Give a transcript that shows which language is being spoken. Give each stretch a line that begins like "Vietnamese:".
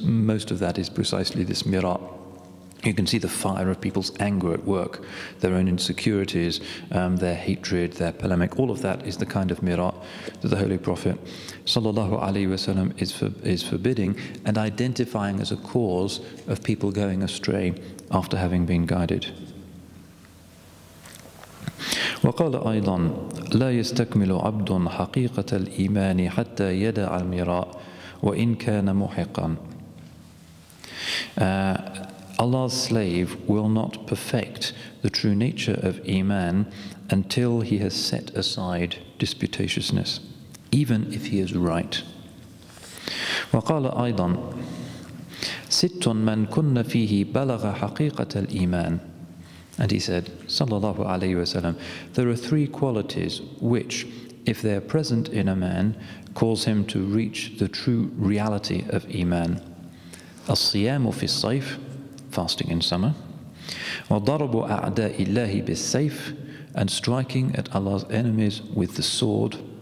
English: Most of that is precisely this mirah. You can see the fire of people's anger at work, their own insecurities, their hatred, their polemic. All of that is the kind of mirah that the Holy Prophet sallallahu alaihi wasallam is forbidding and identifying as a cause of people going astray after having been guided.
Arabic: وقال أيضا لا يستكمل عبد حقيقة الإيمان حتى يدع المرأة وإن كان محقا.
English: Allah's slave will not perfect the true nature of Iman until he has set aside disputatiousness, even if he is right.
Arabic: وقال أيضا ست من كن فيه بلغ حقيقة الإيمان.
English: And he said, sallallahu alayhi wa sallam, there are three qualities which, if they are present in a man, cause him to reach the true reality of Iman.
Arabic: الصيام في الصيف,
English: fasting in summer,
Arabic: وضرب أعداء الله بالسيف,
English: and striking at Allah's enemies with the sword,